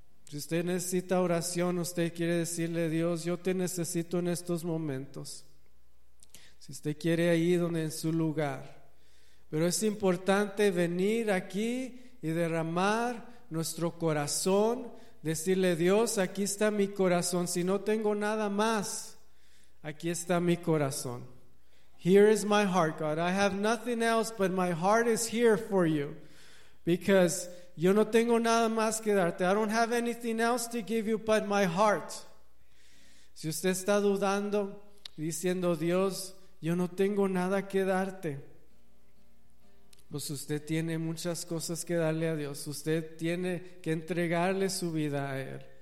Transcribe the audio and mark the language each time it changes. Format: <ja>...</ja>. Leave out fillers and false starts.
<es>Si usted necesita oración, usted quiere decirle: Dios, yo te necesito en estos momentos. Si usted quiere ahí donde en su lugar, Pero es importante venir aquí y derramar nuestro corazón, decirle: Dios, aquí está mi corazón. Si no tengo nada más, aquí está mi corazón.</es> <en>Here is my heart, God. I have nothing else, but my heart is here for you. Because</en> <es>yo no tengo nada más que darte.</es> <en>I don't have anything else to give you but my heart.</en> <es>Si usted está dudando, diciendo: Dios, yo no tengo nada que darte, pues usted tiene muchas cosas que darle a Dios. Usted tiene que entregarle su vida a Él.</es>